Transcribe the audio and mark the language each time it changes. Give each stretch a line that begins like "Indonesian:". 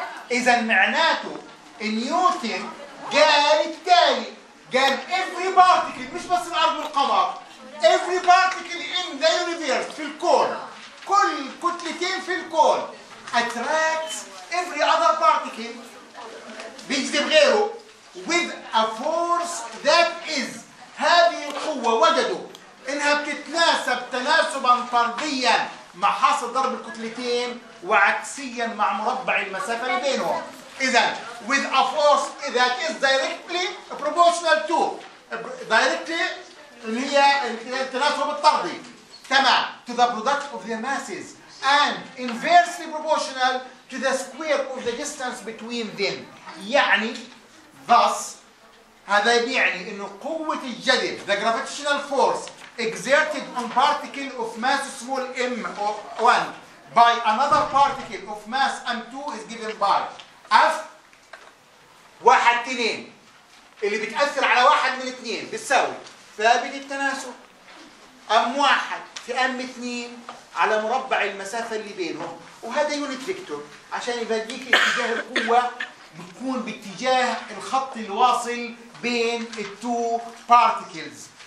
Arabic: إذا معناته نيوتن قال التالي، قال
English: every particle،
Arabic: مش بس الأرض والقمر،
English: every particle in the universe،
Arabic: في الكون، كل كتلتين في الكون
English: attracts every other particle،
Arabic: بيجذب غيره
English: with a force that is.
Arabic: هذه القوة وجدوا انها بتتناسب تناسبا فرديا مع حاصل ضرب الكتلتين وعكسيا مع مربع المسافه اللي بينهم.
English: اذا with a force that is directly proportional to directly
Arabic: اللي هي التناسب الطردي تمام
English: to the product of the masses and inversely proportional to the square of the distance between them. يعني thus
Arabic: هذا يعني انه قوة الجذب
English: the gravitational force exerted on particle of mass small m1 by another particle of mass m2 is given by f 1 2
Arabic: اللي بتأثر على واحد من اثنين بتساوي ثابت التناسب
English: m1 في m2
Arabic: على مربع المسافة اللي بينهم. وهذا يونت فيكتور عشان يفاديك اتجاه القوة بيكون باتجاه الخط الواصل بين التو بارتيكلز.